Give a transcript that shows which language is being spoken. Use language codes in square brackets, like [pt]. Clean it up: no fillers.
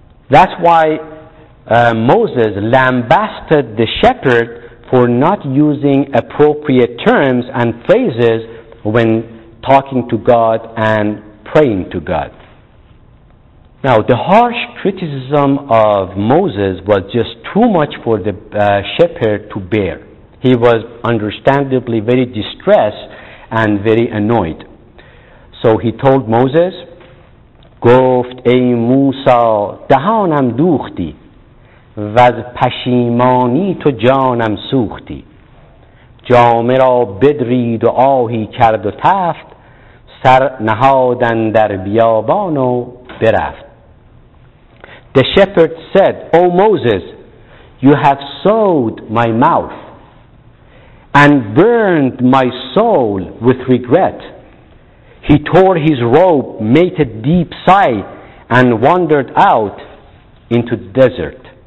[en] That's why Moses lambasted the shepherd for not using appropriate terms and phrases when talking to God and praying to God. Now, the harsh criticism of Moses was just too much for the shepherd to bear. He was understandably very distressed and very annoyed. So he told Moses, [fa] گفت ای موسا دهانم دوختی و از پشیمانی تو جانم سوختی جامه را بدرید و آهی کرد و تفت سر نهادن در بیابان و برفت. [en] The shepherd said, O Moses, you have sowed my mouth and burned my soul with regret. He tore his robe, made a deep sigh, and wandered out into the desert.